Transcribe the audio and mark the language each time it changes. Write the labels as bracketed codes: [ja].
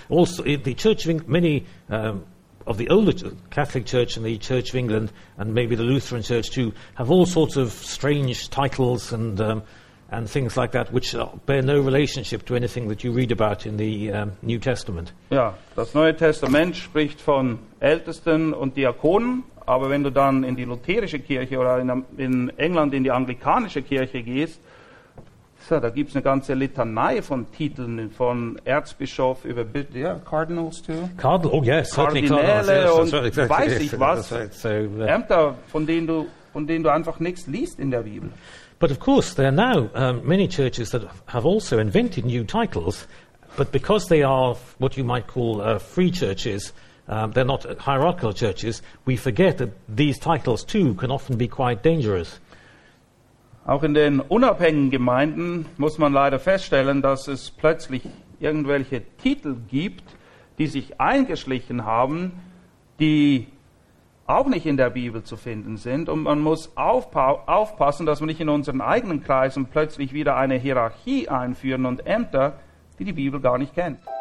[en] Also, the Church of England, many of the older Catholic Church and the Church of England, and maybe the Lutheran Church too, have all sorts of strange titles and things like that, which bear no relationship to anything that you read about in the New Testament. [de] Ja, das Neue Testament spricht von Ältesten und Diakonen, aber wenn du dann in die lutherische Kirche oder in England in die anglikanische Kirche gehst, So, da gibt's eine ganze Litanei von Titeln von Erzbischof über [en] Cardinals too. Cardinal, oh yes, [de] Kardinäle [en] certainly Cardinals. Yes, [de] und [en] right, exactly, [de] weiß ich was. [en] Right, [de] so, Ämter, von denen du einfach nichts liest in der Bibel. [en] But of course, there are now many churches that have also invented new titles, but because they are what you might call free churches, they're not hierarchical churches, we forget that these titles too can often be quite dangerous. [de] Auch in den unabhängigen Gemeinden muss man leider feststellen, dass es plötzlich irgendwelche Titel gibt, die sich eingeschlichen haben, die auch nicht in der Bibel zu finden sind. Und man muss aufpassen, dass wir nicht in unseren eigenen Kreisen plötzlich wieder eine Hierarchie einführen und Ämter, die Bibel gar nicht kennt.